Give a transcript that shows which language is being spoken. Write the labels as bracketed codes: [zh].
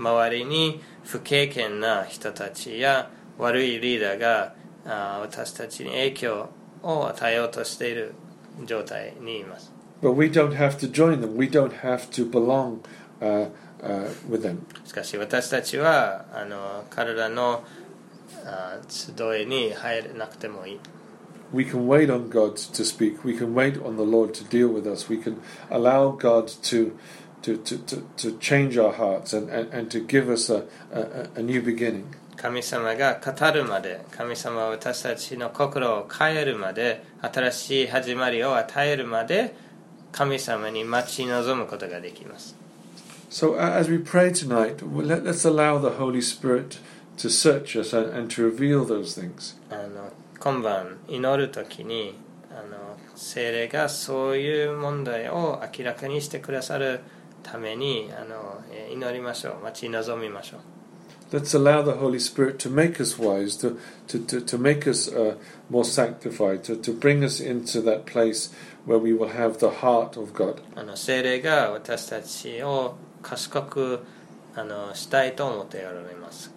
[ja] 周りに不敬虔な人たちや悪いリーダーが私たちに影響を与えようとしている状態にいます。 [en] But we don't have to join them. We don't have to belong with them. [ja] しかし私たちは彼らの集いに入れなくてもいい。 [en] We can wait on God to speak. We can wait on the Lord to deal with us. We can allow God to change our hearts and to give us a new beginning. [ja] 神様が語るまで、神様は私たちの心を変えるまで、新しい始まりを与えるまで、神様に待ち望むことができます。 [en] So as we pray tonight, let's allow the Holy Spirit to search us and to reveal those things. [ja] 今晩祈るときに聖霊がそういう問題を明らかにしてくださるために祈りましょう、待ち望みましょう。 [en] Let's allow the Holy Spirit to make us wise, to make us more sanctified, to bring us into that place where we will have the heart of God. [ja] 聖霊が私たちを賢くしたいと思っておられます。